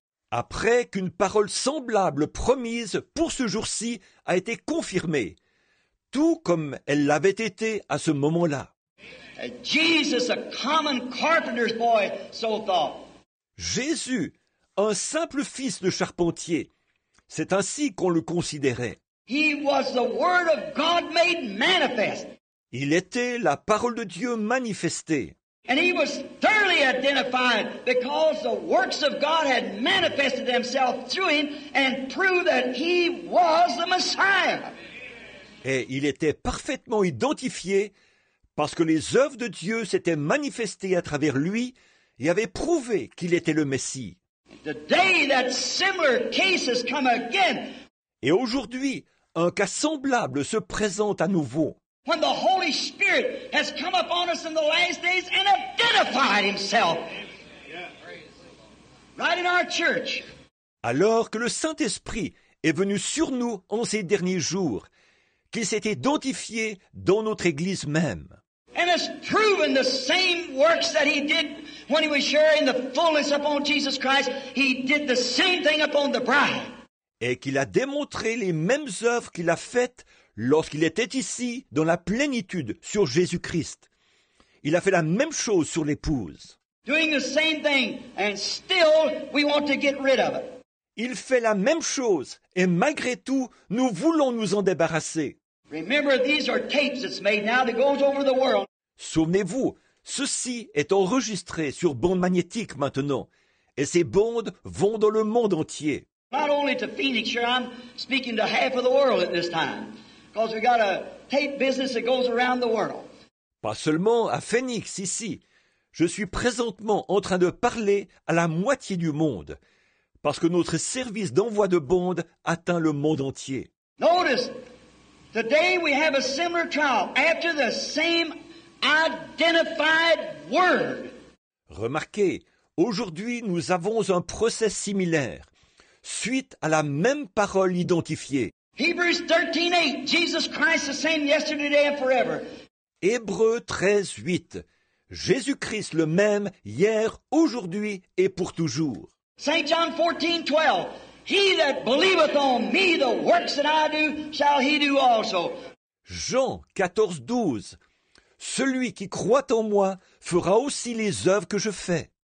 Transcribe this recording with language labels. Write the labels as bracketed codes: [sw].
[fr] Après qu'une parole semblable promise pour ce jour-ci a été confirmée, tout comme elle l'avait été à ce moment-là. [en] Jesus, a common carpenter's boy, so thought. [fr] Jésus, un simple fils de charpentier, c'est ainsi qu'on le considérait. [en] He was the word of God made manifest. [fr] Il était la parole de Dieu manifestée. [en] And he was thoroughly identified because the works of God had manifested themselves through him and proved that he was the Messiah. [fr] Et il était parfaitement identifié parce que les œuvres de Dieu s'étaient manifestées à travers lui et avaient prouvé qu'il était le Messie. [en] The day that similar cases come again. [fr] Et aujourd'hui, un cas semblable se présente à nouveau. [en] When the Holy Spirit has come upon us in the last days and identified himself. Right in our church. [fr] Alors que le Saint-Esprit est venu sur nous en ces derniers jours, qu'il s'est identifié dans notre Église même. [en] And has proven the same works that he did when he was sharing the fullness upon Jesus Christ, he did the same thing upon the bride. [fr] Et qu'il a démontré les mêmes œuvres qu'il a faites lorsqu'il était ici, dans la plénitude, sur Jésus-Christ. Il a fait la même chose sur l'épouse. [en] Doing the same thing, and still we want to get rid of it. [fr] Il fait la même chose, et malgré tout, nous voulons nous en débarrasser. [en] Remember, these are tapes that's made now that goes over the world. [fr] Souvenez-vous, ceci est enregistré sur bandes magnétiques maintenant, et ces bandes vont dans le monde entier. [en] Not only to Phoenix, sure, I'm speaking to half of the world at this time. Because we got a tape business that goes around the world. [fr] Pas seulement à Phoenix, ici. Je suis présentement en train de parler à la moitié du monde. Parce que notre service d'envoi de bandes atteint le monde entier. [en] Notice, today we have a similar trial after the same identified word. [fr] Remarquez, aujourd'hui nous avons un procès similaire. Suite à la même parole identifiée. [en] Hebrews 13:8, Jesus Christ the same yesterday, today and forever. [fr] Hébreux 13:8, Jésus-Christ le même hier, aujourd'hui et pour toujours. [en] Saint John 14:12, He that believeth on me, the works that I do, shall he do also. [fr] Jean 14:12, celui qui croit en moi fera aussi les œuvres que je fais.